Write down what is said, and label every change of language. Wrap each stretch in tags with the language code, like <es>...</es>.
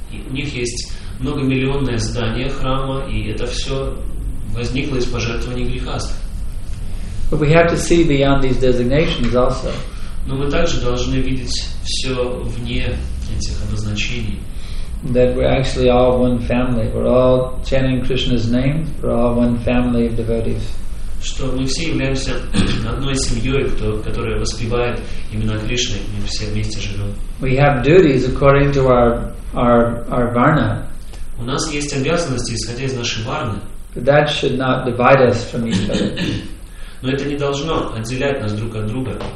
<ru>У них есть многомиллионное здание храма, и это все возникло из пожертвований грихаст.</ru> <en>But we have to see beyond these designations also.</en> <ru>Но мы также должны видеть все вне этих обозначений.</ru> <en>That we're actually all one family. We're all chanting Krishna's name. We're all one family of devotees.</en> <ru>Что мы все являемся одной семьей, которая воспевает имена Кришны, и мы все вместе живем.</ru> <en>We have duties according to our varna.</en> <ru>У нас есть обязанности, исходя из нашей варны.</ru> <en>But that should not divide us from each other.</en> <ru>Но это не должно отделять нас друг от друга.</ru>